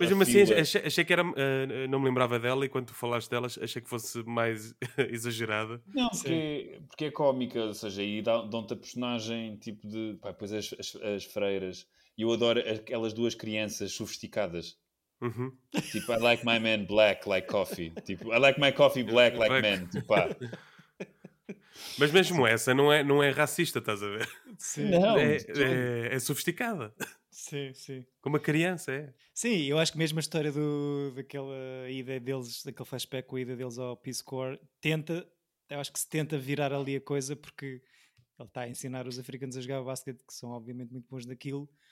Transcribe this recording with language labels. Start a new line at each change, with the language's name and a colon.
Portuguese: mas mesmo assim, achei que era, não me lembrava dela, e quando tu falaste dela, achei que fosse mais exagerada. Não, porque é cómica, ou seja, e dão-te a personagem, tipo, de, pá, depois as freiras... Eu adoro aquelas duas crianças sofisticadas. Uhum. Tipo,
English: I like my man black like coffee. Tipo, I like my coffee black like man.
Portuguese: Tipo, pá. Mas mesmo essa não é racista, estás a ver? Sim. Não. É sofisticada. Sim, sim. Como a criança, é. Sim, eu acho que mesmo a história daquela ida deles, daquele flashback com a ida deles ao Peace Corps, eu acho que se tenta virar ali a coisa, porque ele está a ensinar os africanos a jogar basquete, que são obviamente muito bons naquilo.